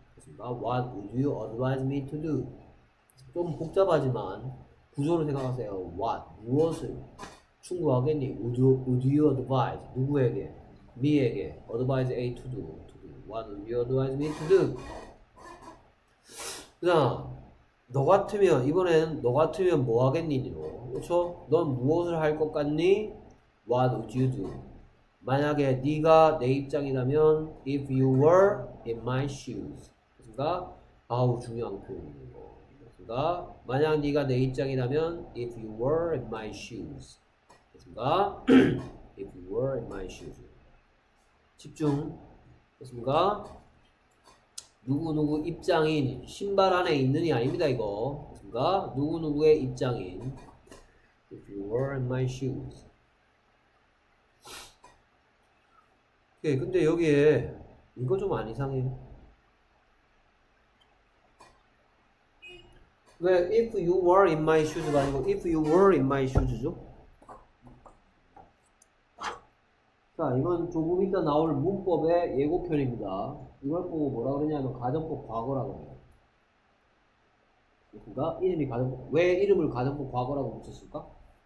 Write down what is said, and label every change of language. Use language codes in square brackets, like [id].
[ko] 그니까 [en] What would you advise me to do? [ko] 좀 복잡하지만 구조를 생각하세요. What 무엇을? 충고하겠니? [en] Would you advise? [ko] 누구에게? Me에게. [en] Advise A to do. What would you advise me to do? [ko] 그냥 너 같으면 이번엔 너 같으면 뭐 하겠니로. 그렇죠? 넌 무엇을 할것 같니? [en] What would you do? [ko] 만약에 네가 내 입장이라면 [en] If you were in my shoes. [ko] 그러니까 아우 중요한 표현이고. 그러니까 만약 네가 내 입장이라면 [en] If you were in my shoes. [ko] 그렇습니까? [en] If you were in my shoes. [ko] 집중. 그렇습니까? 누구누구 입장인. 신발 안에 있는이 아닙니다, 이거. 그렇습니까? 누구누구의 입장인. [en] If you were in my shoes. [ko] 예, 근데 여기에 이거 좀안 이상해. 왜 [en] If you were in my shoes가 아니고 If you were in my shoes죠? [ko] 자, 이건 조금 이따 나올 문법의 예고편입니다. 이걸 보고 뭐라 그러냐면 가정법 과거라고 해요. 그러니까 이름이 가정법, 왜 이름을 가정법 과거라고 붙였을까?